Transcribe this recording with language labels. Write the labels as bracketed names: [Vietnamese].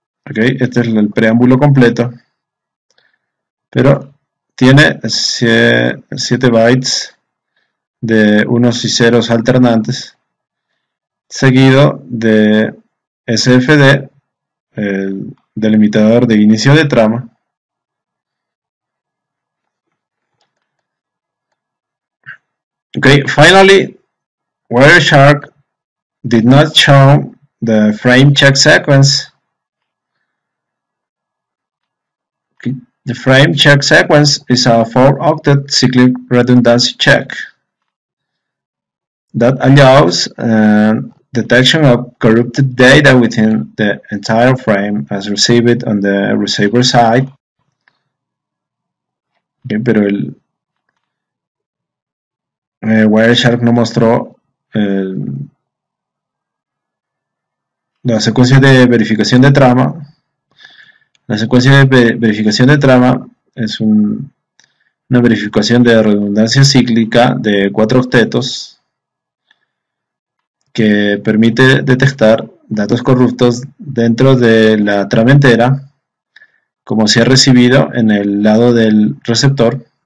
[Spanish] Okay, este es el preámbulo completo, pero tiene 7 bytes de unos y ceros alternantes, seguido de SFD, el delimitador de inicio de trama, okay. [English] Finally, Wireshark did not show the frame check sequence. Okay. The frame check sequence is a 4-octet cyclic redundancy check that allows detection of corrupted data within the entire frame as received on the receiver side. [Spanish] Okay, pero el Wireshark no mostró la secuencia de verificación de trama. La secuencia de verificación de trama es una verificación de redundancia cíclica de 4 octetos que permite detectar datos corruptos dentro de la trama entera, como se ha recibido en el lado del receptor.